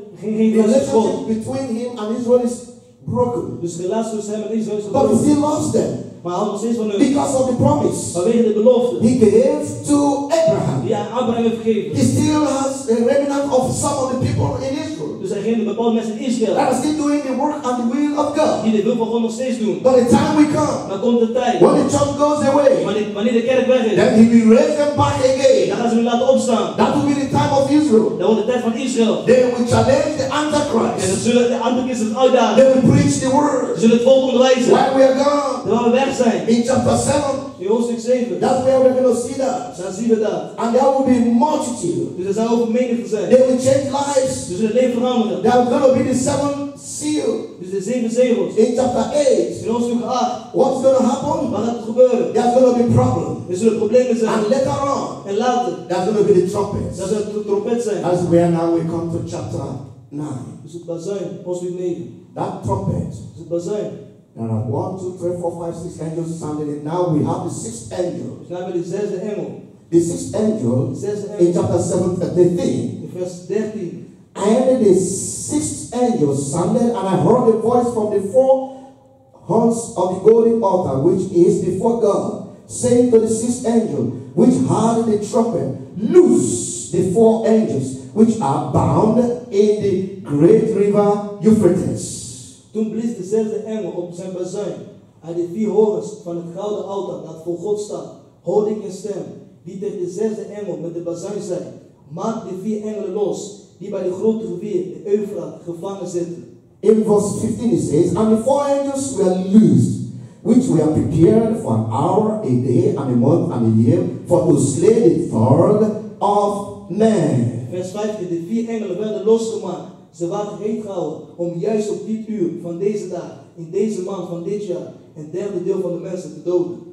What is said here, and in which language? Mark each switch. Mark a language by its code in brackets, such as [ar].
[en] The relationship between him and Israel is broken. [nl] Dus relatie tussen hem en Israël is gebroken. [en] But he still loves them. Because of the promise, [nl] vanwege de belofte, [en] he gave to Abraham. [nl] Ja, Abraham heeft gegeven. [en] He still has a remnant of some of the people in Israel. [nl] Dus hij geeft bepaalde mensen in Israël. [en] That are still doing the work and the will of God. [nl] Die de wil van God nog steeds doen. [en] But the time will come. [nl] Dan komt de tijd. [en] When the church goes away. [nl] Wanneer de kerk weg is. [en] Then he will raise them back again. [nl] Dan gaan ze hem laten opstaan. [en] That will be the time of Israel. [nl] Dat wordt de tijd van Israël. [en] They will challenge the Antichrist. [nl] En ze zullen de Antichrist uitdagen. [en] They will preach the word. [nl] Ze zullen het volk onderwijzen. [en] While we are gone. [nl] Terwijl we weg zijn. [en] In chapter 7. [nl] In hoofdstuk 7. [en] That's where we're going to see that. [nl] Dan zien we dat. [en] And there will be multitude. [nl] Dus er zal ook menigte zijn. [en] They will change lives. [nl] Dus het leven veranderen. [en] There are going to be the seven seals. [nl] Dus de zeven zegels. [en] In chapter 8. [nl] In hoofdstuk 8. [en] What's going to happen? [nl] Wat gaat er gebeuren? [en] There's going to be problems. [nl] Er zullen problemen zijn. [en] And later on. [nl] En later. [en] There's going to be the trumpets. [nl] Dat zal de trompet zijn. [en] That's where now we come to chapter 9. [nl] Dus het bazuin. Hoofdstuk 9. [en] That trumpet. [nl] Dus het bazuin. [en] There are 1, 2, 3, 4, 5, 6 angels standing in. Now we have the 6th angel. Now it says the angel. The 6th angel, angel in chapter 7, 13. In verse 13. I heard the 6th angel standing, and I heard a voice from the four horns of the golden altar, which is before God, saying to the 6th angel, which had the trumpet, loose the 4 angels, which are bound in the great river Euphrates. [nl] Toen blies dezelfde engel op zijn bazuin. Hij de 4 horens van het gouden altaar dat voor God staat, hoorde ik een stem die tegen dezelfde engel met de bazuin zei: maak de 4 engelen los die bij de grote rivier, de Eufraat, gevangen zitten. [en] In verse 15 it says: and the 4 angels were loosed, which were prepared for an hour, a day, and a month, and a year, for to slay the third of men. [nl] Vers 15: de 4 engelen werden losgemaakt. Ze waren heen gehouden om juist op dit uur van deze dag, in deze maand van dit jaar, een derde deel van de mensen te doden.